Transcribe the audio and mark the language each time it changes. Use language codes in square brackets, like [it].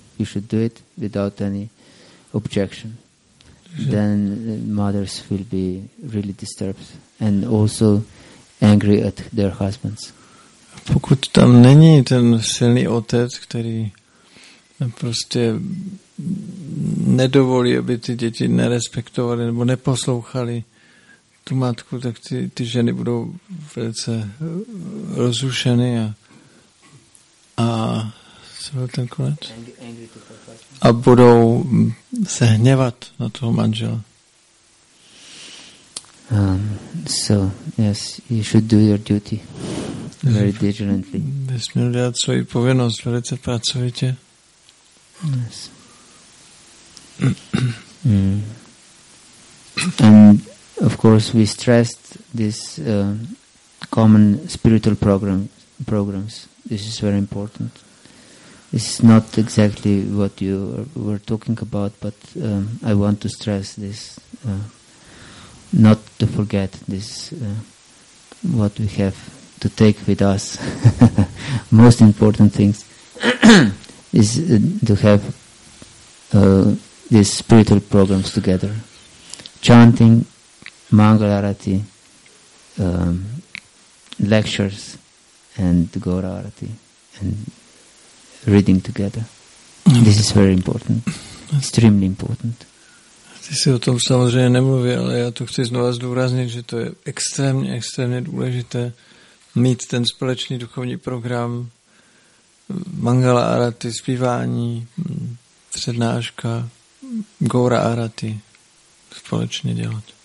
[en] You should do it without any objection. Then mothers will be really disturbed and also angry at their husbands. [cs] Pokud tam není ten silný otec, který prostě nedovolí, aby ty děti nerespektovali nebo neposlouchali tu matku, tak ty ženy budou velice rozrušeny a co byl ten konec? A budou se hněvat na toho manžela. [en] So, yes, you should do your duty very diligently. [cs] Bys měl dělat svoji povinnost velice pracovitě. [en] Yes. And, of course, we stressed this common spiritual programs. This is very important. It's not exactly what you were talking about, but I want to stress this, not to forget this, what we have to take with us. Most important things is to have these spiritual programs together. Chanting, Mangala Arati, lectures, and Gaura Arati, and reading together. This is very important. Extremely important. [cs] Ty si o tom samozřejmě nemluví, ale já to chci znovu zdůraznit, že to je extrémně, extrémně důležité mít ten společný duchovní program Mangala Arati, zpívání, přednáška, Gaura Arati společně dělat.